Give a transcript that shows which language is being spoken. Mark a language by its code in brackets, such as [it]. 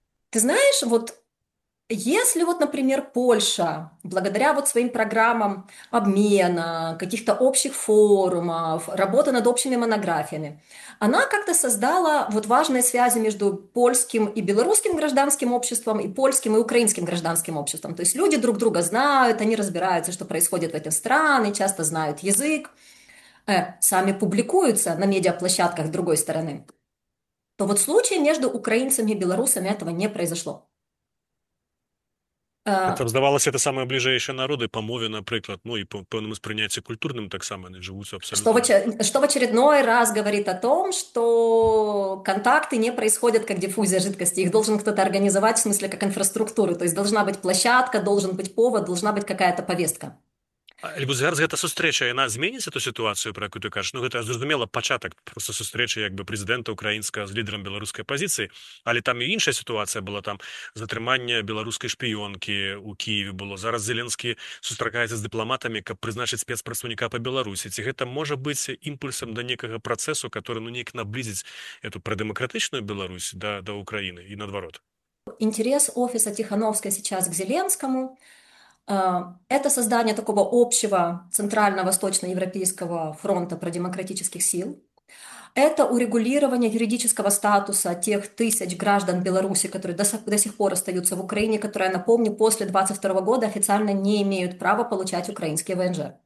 [ru] Ты знаешь, вот если вот, например, Польша, благодаря вот своим программам обмена, каких-то общих форумов, работы над общими монографиями, она как-то создала вот важные связи между польским и белорусским гражданским обществом и польским и украинским гражданским обществом. То есть люди друг друга знают, они разбираются, что происходит в этих странах, часто знают язык, сами публикуются на медиаплощадках другой стороны. То вот в случае между украинцами и белорусами этого не произошло. [be] Там здавалася это самыя бліжэйшыя народы па мове, напрыклад, ну і па пэўным успрыняцці культурным таксама яны жывуць абсалютна. [ru] Что в очередной раз говорит о том, что контакты не происходят как диффузия жидкости. Их должен кто-то организовать, в смысле, как инфраструктуры. То есть должна быть площадка, должен быть повод, должна быть какая-то повестка. [be] Альбо зараз гэта сустрэча яна зменіць эту сітуацыю, пра якую ты кажаш? Ну гэта зразумела пачатак проста сустрэчы як бы прэзідэнта ўкраінскага з лідарам беларускай апазіцыі, але там і іншая сітуацыя была, там затрыманне беларускай шпіёнкі ў Кіеве было. Зараз Зеленскі сустракаецца з дыпламатамі, каб прызначыць спецпрадстаўніка па Беларусі. Ці гэта можа быць імпульсам да некага працэсу, [ru] который [be] ну неяк наблізіць эту прадэмакратычную Беларусь да Украіны і наадварот? [ru] Интерес офиса Тихановской сейчас к Зеленскому – это создание такого общего центрально-восточно-европейского фронта продемократических сил. Это урегулирование юридического статуса тех тысяч граждан Беларуси, которые до сих пор остаются в Украине, которые, я напомню, после 22 года официально не имеют права получать украинские ВНЖ.